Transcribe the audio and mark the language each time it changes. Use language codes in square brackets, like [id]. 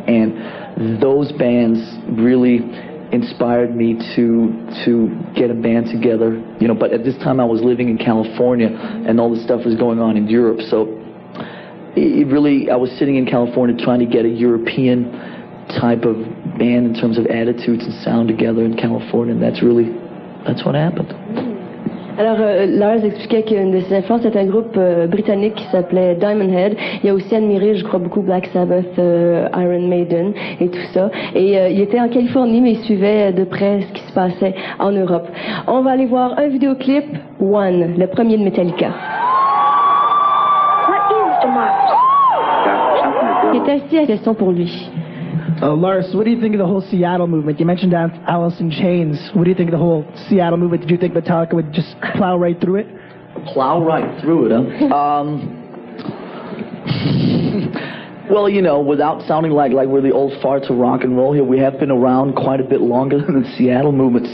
[en] And those bands really inspired me to get a band together, you know. But at this time I was living in California and all the stuff was going on in Europe, so it really, I was sitting in California trying to get a European type of band in terms of attitudes and sound together in California, and that's what happened. [fr] Alors, Lars expliquait qu'une de ses influences était un groupe britannique qui s'appelait Diamond Head. Il a aussi admiré, je crois, beaucoup Black Sabbath, Iron Maiden et tout ça. Et il était en Californie, mais il suivait de près ce qui se passait en Europe. On va aller voir un vidéoclip, One, le premier de Metallica. [en] What is [fr] Demarcus? Il est assis à la question pour lui. [en] Lars, what do you think of the whole Seattle movement? You mentioned Alice in Chains. What do you think of the whole Seattle movement? Did you think Metallica would just plow right through it? Plow right through it, huh? well, you know, without sounding like we're the old farts of rock and roll here, we have been around quite a bit longer than the Seattle movement.